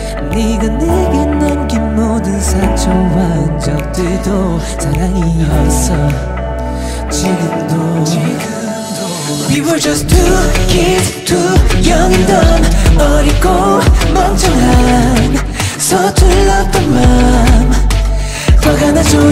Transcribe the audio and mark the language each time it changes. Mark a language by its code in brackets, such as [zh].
[ko] 네가 내게 남긴 모든 상처와 흔적들도 사랑이었어 지금도. [en] We were just two kids, too young and dumb. [ko] 어리고 멍청한 서툴렀던 맘 화가 나죠.